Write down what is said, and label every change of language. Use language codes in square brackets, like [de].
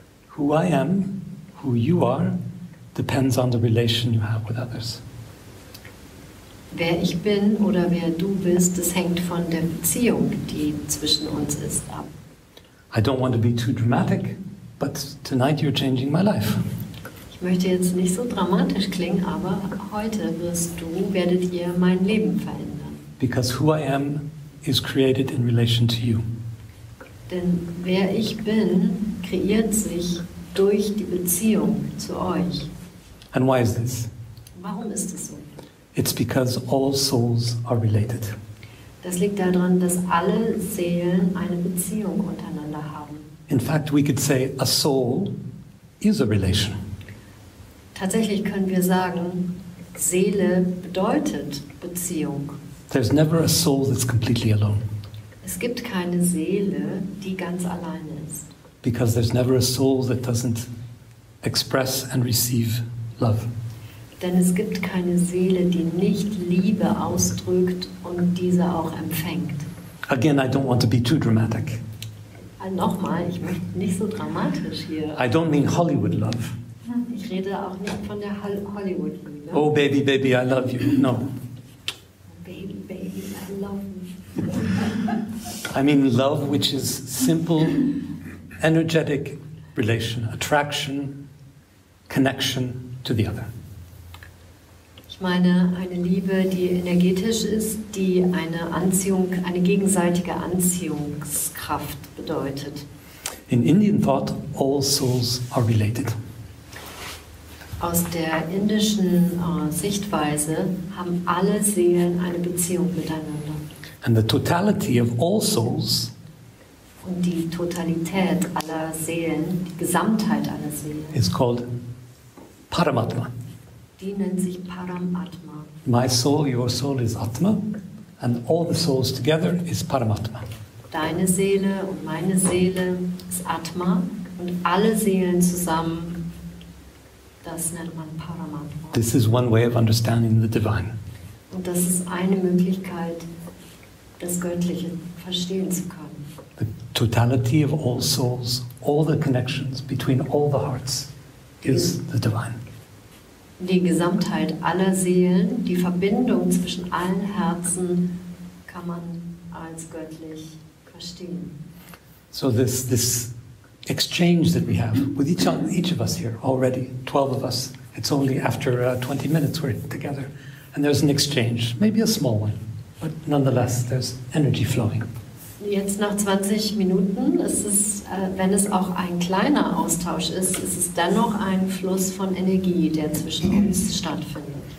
[en] Who I am, who you are, depends on the relation you have with others. [de] Wer ich bin oder wer du bist, das hängt von der Beziehung, die zwischen uns ist, ab. [en] I don't want to be too dramatic, but tonight you're changing my life. [de] Ich möchte jetzt nicht so dramatisch klingen, aber heute werdet ihr mein Leben verändern. [en] Because who I am is created in relation to you. [de] Denn wer ich bin, kreiert sich durch die Beziehung zu euch. [en] And why is this? [de] Warum ist das so? [en] It's because all souls are related. [de] Das liegt daran, dass alle Seelen eine Beziehung untereinander haben. [en] In fact, we could say a soul is a relation. [de] Tatsächlich können wir sagen, Seele bedeutet Beziehung. [en] There's never a soul that's completely alone. [de] Es gibt keine Seele, die ganz alleine ist. [en] Because there's never a soul that doesn't express and receive love. [de] Denn es gibt keine Seele, die nicht Liebe ausdrückt und diese auch empfängt. [en] Again, I don't want to be too dramatic. [de] Nochmal, ich möchte nicht so dramatisch hier. [en] I don't mean Hollywood love. [de] Ich rede auch nicht von der Hollywood Liebe. [en] Oh baby, baby, I love you. No. Baby, baby, I love you. I mean love, which is simple, energetic relation, attraction, connection to the other. [de] Ich meine eine Liebe, die energetisch ist, die eine Anziehung, eine gegenseitige Anziehungskraft bedeutet. [en] In Indian thought, all souls are related. [de] Aus der indischen Sichtweise haben alle Seelen eine Beziehung miteinander. [en] And the totality of all souls. [de] Und die Totalität aller Seelen, die Gesamtheit aller Seelen. [en] Is called Paramatma. [de] Die nennt sich Paramatma. [en] My soul, your soul is Atma, and all the souls together is Paramatma. [de] Deine Seele und meine Seele ist Atma, und alle Seelen zusammen, das nennt man Paramatma. [en] This is one way of understanding the divine. [de] Und das ist eine Möglichkeit, das Göttliche verstehen zu können. [en] The totality of all souls, all the connections between all the hearts is the divine. [de] Die Gesamtheit aller Seelen, die Verbindung zwischen allen Herzen, kann man als göttlich verstehen. [en] So this exchange that we have with each of us here already, 12 of us, it's only after 20 minutes we're together, and there's an exchange, maybe a small one, but nonetheless there's energy flowing. [de] Jetzt nach 20 Minuten, wenn es auch ein kleiner Austausch ist, ist es dennoch ein Fluss von Energie, der zwischen uns stattfindet.